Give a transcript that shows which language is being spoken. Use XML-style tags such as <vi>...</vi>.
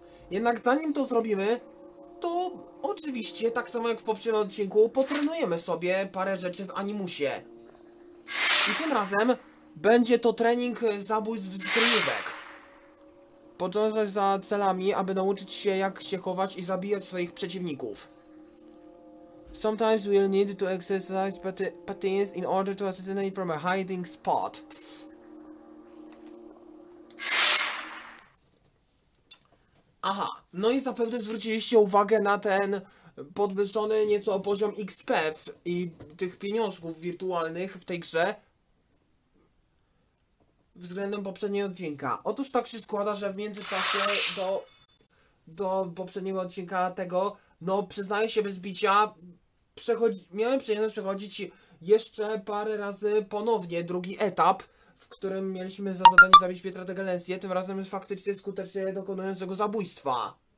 <pl>Jednak zanim to zrobimy, to oczywiście, tak samo jak w poprzednim odcinku, potrenujemy sobie parę rzeczy w animusie. I tym razem będzie to trening zabójstw z kryjówek. Podążać za celami, aby nauczyć się, jak się chować i zabijać swoich przeciwników.</pl> <en>Sometimes we'll need to exercise patience in order to assassinate from a hiding spot.</en> <pl>Aha, no i zapewne zwróciliście uwagę na ten podwyższony nieco poziom XP i tych pieniążków wirtualnych w tej grze względem poprzedniego odcinka. Otóż tak się składa, że w międzyczasie do poprzedniego odcinka tego, no przyznaję się bez bicia, miałem przyjemność przechodzić jeszcze parę razy ponownie drugi etap, w którym mieliśmy za zadanie zabić Pietra de Galencję, tym razem faktycznie skutecznie dokonując jego zabójstwa.</pl>